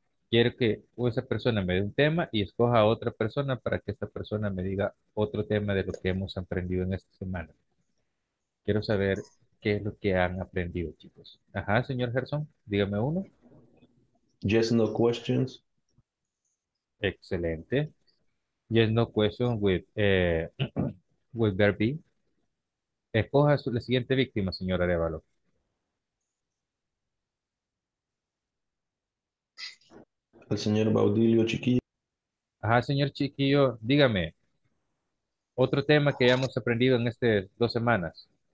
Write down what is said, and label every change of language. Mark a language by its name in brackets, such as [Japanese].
[Spanish] Quiero que esa persona me dé un tema y escoja a otra persona para que esta persona me diga otro tema de lo que hemos aprendido en esta semana. Quiero saber qué es lo que han aprendido, chicos. Ajá, señor Gerson, dígame uno. [English] Yes, no questions. [Spanish] Excelente. [English] Yes, no question with there be. [Spanish] Escoja la siguiente víctima, señor Arevalo. El señor Baudilio Chiquillo. Ajá, señor Chiquillo, dígame. Otro tema que hayamos aprendido en estas 2 semanas.